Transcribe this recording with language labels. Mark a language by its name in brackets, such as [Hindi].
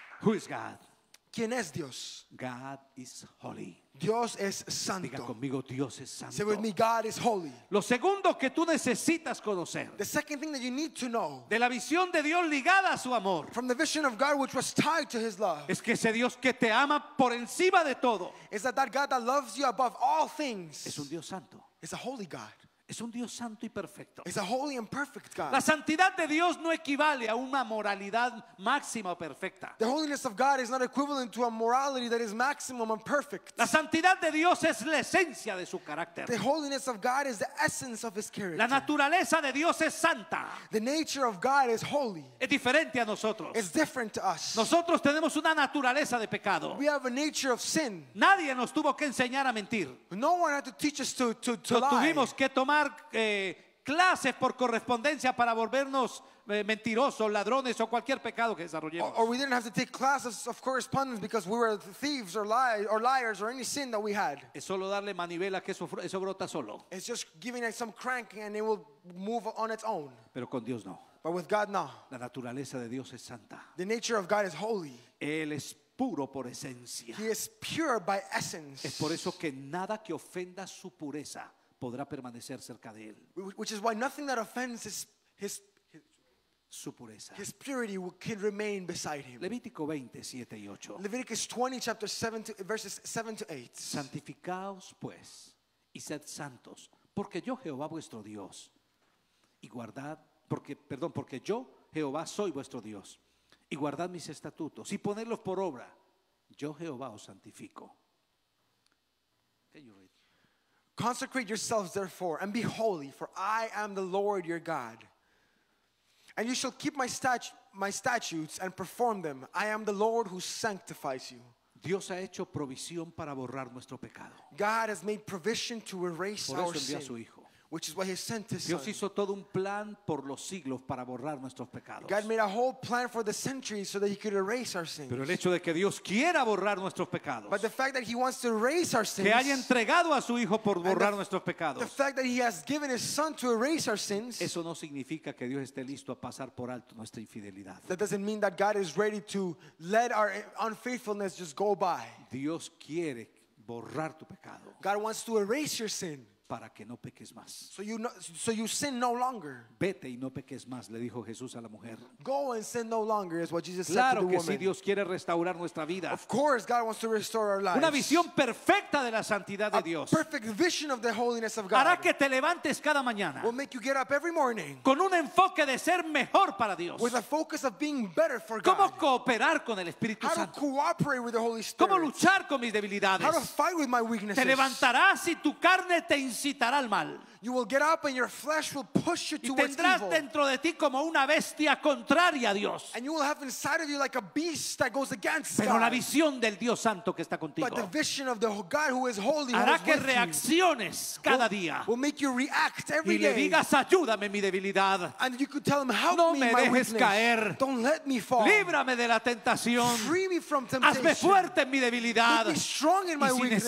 [English] Who is God? [Spanish] ¿Quién es Dios? [English] God is holy. [Spanish] Dios es santo. Diga conmigo, Dios es santo. [English] Say with me, God is holy. [Spanish] Lo segundo que tú necesitas conocer. [English] The second thing that you need to know. [Spanish] De la visión de Dios ligada a su amor. [English] From the vision of God which was tied to his love. [Spanish] Es que ese Dios que te ama por encima de todo. [English] Is that God that loves you above all things. [Spanish] Es un Dios santo. [English] Is a holy God. [Spanish] Es un Dios santo y perfecto. [English] It's a holy and perfect God. [Spanish] La santidad de Dios no equivale a una moralidad máxima o perfecta. [English] The holiness of God is not equivalent to a morality that is maximum and perfect. [Spanish] La santidad de Dios es la esencia de su carácter. [English] The holiness of God is the essence of his character. [Spanish] La naturaleza de Dios es santa. [English] The nature of God is holy. [Spanish] Es diferente a nosotros. [English] It's different to us. [Spanish] Nosotros tenemos una naturaleza de pecado. [English] We have a nature of sin. [Spanish] Nadie nos tuvo que enseñar a mentir. [English] No one had to teach us to lie. [Spanish] Tuvimos que tomar clases por correspondencia para volvernos mentirosos, ladrones o cualquier pecado que desarrollemos. [English] Or we didn't have to take classes of correspondence because we were thieves or liars or any sin that we had. [Spanish] Es solo darle manivela que eso brota solo. [English] It's just giving it some crank and it will move on its own. [Spanish] Pero con Dios no. [English] But with God no. [Spanish] La naturaleza de Dios es santa. [English] The nature of God is holy. [Spanish] Él es puro por esencia. [English] He is pure by essence. [Spanish] Es por eso que nada que ofenda su pureza podrá permanecer cerca de él. [English] Which is why nothing that offends his [Spanish] su pureza. [English] His purity can remain beside him. [Spanish] Levítico 20, 7 y 8. [English] Leviticus 20, chapter 7 to, verses 7 to 8. [Spanish] Santificaos pues y sed santos, porque yo Jehová vuestro Dios y guardad, porque yo Jehová soy vuestro Dios y guardad mis estatutos y ponerlos por obra. Yo Jehová os santifico. [English] Consecrate yourselves therefore and be holy, for I am the Lord your God. And you shall keep my statutes and perform them. I am the Lord who sanctifies you. [Spanish] Dios ha hecho provisión para borrar nuestro pecado. [English] God has made provision to erase [Spanish] por eso [English] our [Spanish] envió [English] sin, [Spanish] a su hijo. [English] Which is why he sent his [Spanish] Dios [English] son. [Spanish] Hizo todo un plan por los siglos para borrar nuestros pecados. [English] God made a whole plan for the centuries so that he could erase our sins. [Spanish] Pero el hecho de que Dios quiera borrar nuestros pecados. [English] But the fact that he wants to erase our sins. [Spanish] Que haya entregado a su hijo por borrar nuestros pecados. [English] The fact that he has given his son to erase our sins. [Spanish] Eso no significa que Dios esté listo a pasar por alto nuestra infidelidad. [English] That doesn't mean that God is ready to let our unfaithfulness just go by. [Spanish] Dios quiere borrar tu pecado. [English] God wants to erase your sin. [Spanish] para que no peques más. [English] So you sin no longer. [Spanish] Vete y no peques más, le dijo Jesús a la mujer. [English] Go and sin no longer is what Jesus [Spanish] claro [English] said to the woman. [Spanish] Claro que sí, Dios quiere restaurar nuestra vida. [English] Of course God wants to restore our lives. [Spanish] Una visión perfecta de la santidad de Dios. [English] A perfect vision of the holiness of God. [Spanish] Hará que te levantes cada mañana. [English] Will make you get up every morning. [Spanish] Con un enfoque de ser mejor para Dios. [English] With a focus of being better for God. [Spanish] ¿Cómo cooperar con el Espíritu Santo? [English] How to cooperate with the Holy Spirit. [Spanish] ¿Cómo luchar con mis debilidades? [English] How to fight with my weaknesses. [Spanish] Te levantarás y tu carne te incitará al mal. [English] You will get up and your flesh will push you towards evil. [Spanish] Y tendrás dentro de ti como una bestia contraria a Dios. [English] And you will have inside of you like a beast that goes against God. [Spanish] Pero la visión del Dios Santo que está contigo. [English] But the vision of the God who is holy. [Spanish] Hará que reacciones cada día. [English] Will make you react every day. [Spanish] Y le digas, ayúdame mi debilidad. [English] And you could tell him, help me, [Spanish] no me dejes caer. [English] Don't let me fall. [Spanish] Líbrame de la tentación. [English] Free me from temptation. [Spanish] Hazme fuerte en mi debilidad. [English] Make me strong in my weakness.